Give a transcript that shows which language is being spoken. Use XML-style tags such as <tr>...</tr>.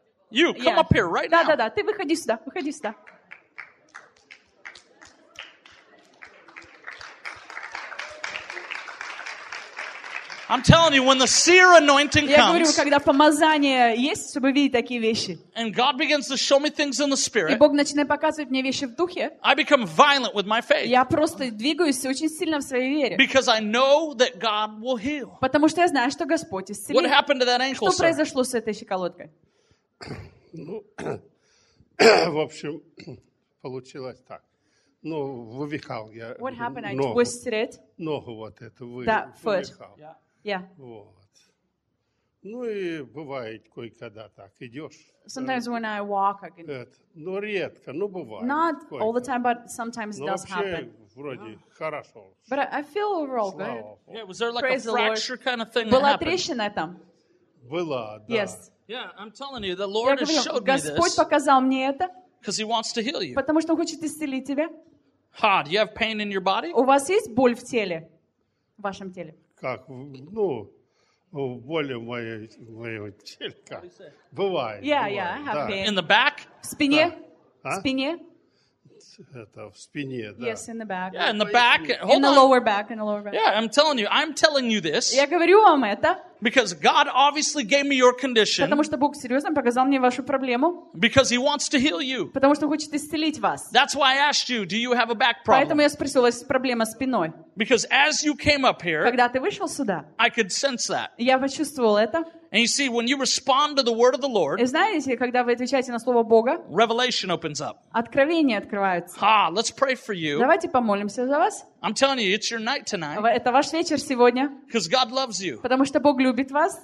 <en>You come up here right now.</en> <ru>Да-да-да, ты выходи сюда, выходи сюда.</ru> <en>I'm telling you, when the seer anointing comes,</en> <ru>я говорю, когда помазание есть, чтобы видеть такие вещи,</ru> <en>and God begins to show me things in the spirit,</en> <ru>и Бог начинает показывать мне вещи в духе,</ru> <en>I become violent with my faith.</en> <ru>Я просто двигаюсь очень сильно в своей вере.</ru> <en>Because I know that God will heal.</en> <ru>Потому что я знаю, что Господь исцелит.</ru> <en>What happened to that ankle,</en> <ru>что произошло с этой щиколоткой? Ну, в общем, получилось так. Ну, вывихал я</ru> <en>what happened?</en> <ru>Ногу.</ru> <en>I twisted it.</en> <ru>Ногу вот эту вывихал.</ru> <en>Yeah.</en> <ru>Вот. Ну и бывает кое-когда так идешь.</ru> <en>Sometimes when I walk, I can.</en> <ru>Ну редко, ну бывает.</ru> <en>Not all the time, but sometimes it does happen.</en> <ru>Вроде хорошо.</ru> <en>But I feel overall good. Yeah, was there like a fracture kind of thing?</en> <ru>Была трещина там. Была, да.</ru> <en>Yes. Yeah, I'm telling you, the Lord has showed me this.</en> <ru>Господь показал мне это.</ru> <en>Because He wants to heal you.</en> <ru>Потому что Он хочет исцелить тебя.</ru> <en>Ha, do you have pain in your body?</en> <ru>У вас есть боль в теле, в вашем теле? Как, ну, боли в моем теле, как. Бывает.</ru> <en>Yeah, yeah, I have pain. In the back?</en> <ru>В спине? Да. В спине? Это в спине, да.</ru> <en>Yes, in the back. Yeah, in the back. Hold on. In the lower back. Yeah, I'm telling you this.</en> <ru>Я говорю вам это.</ru> <en>Because God obviously gave me your condition.</en> <ru>Потому что Бог серьезно показал мне вашу проблему.</ru> <en>Because He wants to heal you.</en> <ru>Потому что Он хочет исцелить вас.</ru> <en>That's why I asked you, do you have a back problem?</en> <ru>Поэтому я спросил, у вас проблема с спиной.</ru> <en>Because as you came up here,</en> <ru>когда ты вышел сюда,</ru> <en>I could sense that.</en> <ru>Я почувствовал это.</ru> <en>And you see, when you respond to the word of the Lord,</en> <ru>и знаете, когда вы отвечаете на слово Бога,</ru> <en>revelation opens up.</en> <ru>Откровение открывается.</ru> <en>Ha, let's pray for you.</en> <ru>Давайте помолимся за вас.</ru> <en>I'm telling you, it's your night tonight.</en> <ru>Это ваш вечер сегодня.</ru> <en>Because God loves you.</en> <ru>Потому что Бог любит вас.</ru>